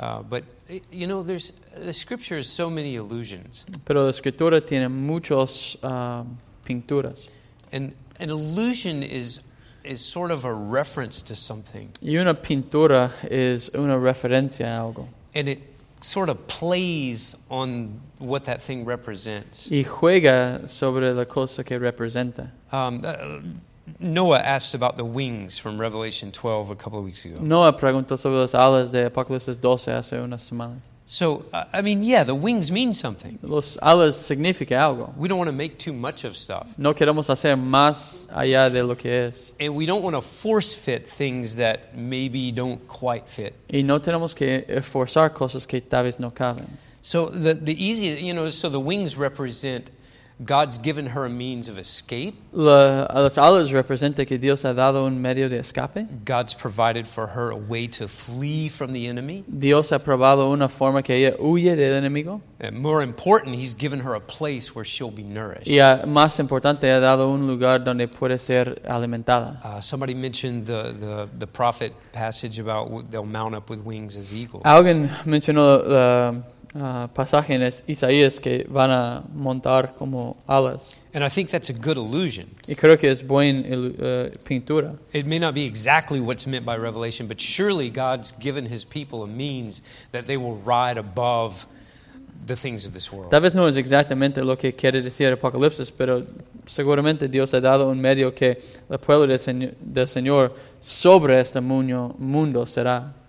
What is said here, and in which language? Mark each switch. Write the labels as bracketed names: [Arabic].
[English] But you know, there's the scripture has so many allusions. [Spanish] Pero la escritura tiene muchos pinturas. [English] And an allusion is sort of a reference to something. [Spanish] Y una pintura es una referencia a algo. [English] And it sort of plays on what that thing represents. [Spanish] Y juega sobre la cosa que representa. [English] Noah asked about the wings from Revelation 12 a couple of weeks ago. [Spanish] Noah preguntó sobre las alas de Apocalipsis 12 hace unas semanas. [English] So, I mean, yeah, the wings mean something. [Spanish] Los alas significa algo. [English] We don't want to make too much of stuff. [Spanish] No queremos hacer más allá de lo que es. [English] And we don't want to force fit things that maybe don't quite fit. [Spanish] Y no tenemos que forzar cosas que tal vez no caben. [English] So the easiest, you know, so the wings represent God's given her a means of escape. [Spanish] Las alas representa que Dios ha dado un medio de escape. [English] God's provided for her a way to flee from the enemy. [Spanish] Dios ha probado una forma que ella huye del enemigo. [English] And more important, he's given her a place where she'll be nourished. [Spanish] Y más importante, ha dado un lugar donde puede ser alimentada. [English] Somebody mentioned the prophet passage about they'll mount up with wings as eagles. [Spanish] Alguien mencionó pasaje en Isaías que van a montar como alas. [English] And I think that's a good illusion. [Spanish] Y creo que es buena pintura. [English] It may not be exactly what's meant by Revelation, but surely God's given his people a means that they will ride above the things of this world. [Spanish] Tal vez no es exactamente lo que quiere decir Apocalipsis, pero seguramente Dios ha dado un medio que el pueblo del Señor sobre este mundo será.